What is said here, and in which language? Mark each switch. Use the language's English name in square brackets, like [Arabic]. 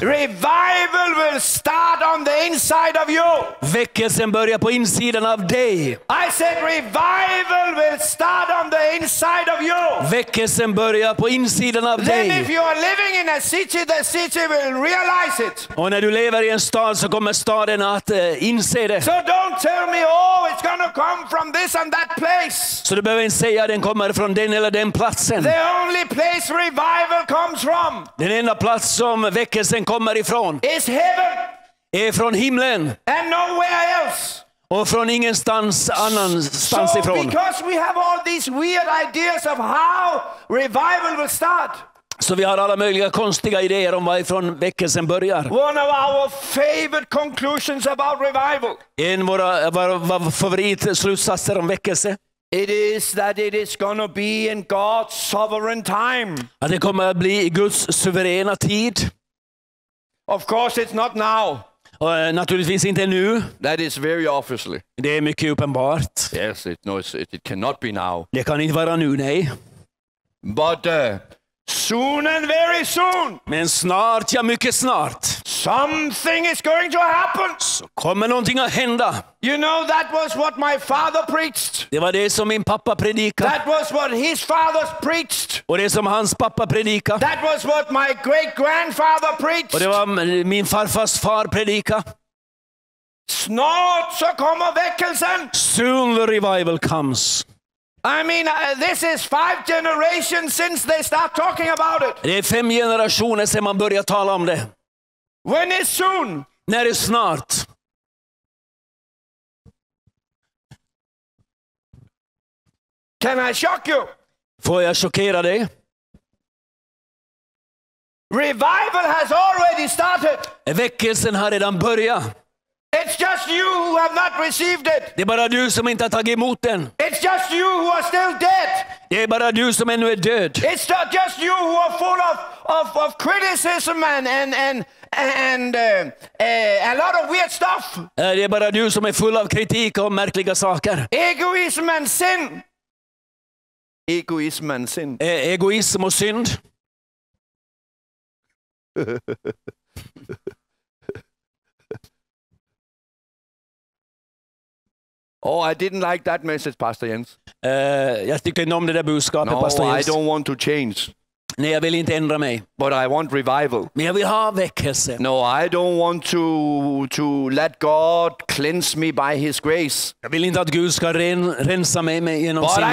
[English] Revival will start on the inside of you. [Swedish] Väckelsen börjar på insidan av dig. [English] I said revival will start on the inside of you. [Swedish] Väckelsen börjar på insidan av [English] then [Swedish] dig. [English] Then if you are living in a city, the city will realize it. [Swedish] Och när du lever i en stad så kommer staden att inse det. [English] So don't tell me it's going to come from this and that place. [Swedish] Så du behöver inte säga att den kommer från den eller den platsen. [English] The only place revival comes from. [Swedish] Den enda plats som väckelsen kommer ifrån. [English] Is heaven. [Swedish] Är från himlen. [English] And nowhere else. [Swedish] Och från ingenstans annanstans [English] so [Swedish] ifrån. [English] So because we have all these weird ideas of how revival will start. [Swedish] Så vi har alla möjliga konstiga idéer om varifrån väckelsen börjar. [English] One of our favorite conclusions about revival. [Swedish] En av våra favoritslutsatser om väckelse. [English] It is that it is going to be in God's sovereign time. [Swedish] Att det kommer att bli i Guds suveräna tid. [English] Of course it's not now. [Swedish] Och naturligtvis inte nu. [English] That is very obviously. [Swedish] Det är mycket uppenbart. [English] Yes, it cannot be now. [Swedish] Det kan inte vara nu, nej. [English] But soon and very soon. [Swedish] Men snart, ja mycket snart. [English] Something is going to happen. [Swedish] Så kommer någonting att hända. [English] You know that was what my father preached. [Swedish] Det var det som min pappa predikade. [English] That was what his father preached. [Swedish] Och det som hans pappa predikade. [English] That was what my great grandfather preached. [Swedish] Och det var min farfars far predikade. Snart så kommer väckelsen. [English] Soon the revival comes. I mean, this is 5 generations since they start talking about it. [Swedish] Det är 5 generationer sedan man börjar tala om det. [English] When is soon? [Swedish] När är snart? [English] Can I shock you? [Swedish] Får jag chockera dig? [English] Revival has already started. [Swedish] Väckelsen har redan börjat. [English] It's just you who have not received it. [Swedish] Det är bara du som inte har tagit emot den. [English] It's just you who are still dead. [Swedish] Det är bara du som ännu är död. [English] It's not just you who are full of criticism and a lot of weird stuff. [Swedish] Det är bara du som är full av kritik och märkliga saker. [English] Egoism and sin. Egoism and sin. [Swedish] Egoism och synd. [English] Oh, I didn't like that message, Pastor Jens. [Swedish] Jag tycker inte om det där budskapet, Pastor Jens. [English] No, I don't want to change. [Swedish] Nej, jag vill inte ändra mig. [English] But I want revival. [Swedish] Men jag vill ha väckelse. [English] No, I don't want to let God cleanse me by his grace. [Swedish] Jag vill inte att Gud ska rensa mig genom sin nåd.